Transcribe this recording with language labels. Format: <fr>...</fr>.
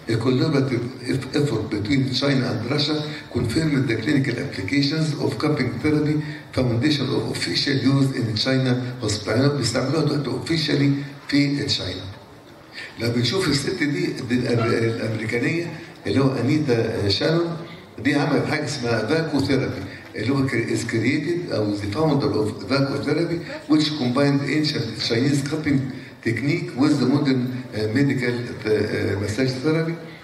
<en>collaborative effort between China and Russia confirmed the clinical applications of cupping therapy foundation of official use in China hospital.</en> <ar>بيستعملوها دلوقتي</ar> <en>officially</en> <ar>في تشاينا. لما بنشوف الست دي الامريكانيه اللي هو</ar> <en>انيتا شانون دي عملت حاجه اسمها فاكو ثيرابي اللي هو is created or the founder of vacuum therapy which combined ancient Chinese cupping technique with the modern medical massage therapy.</en>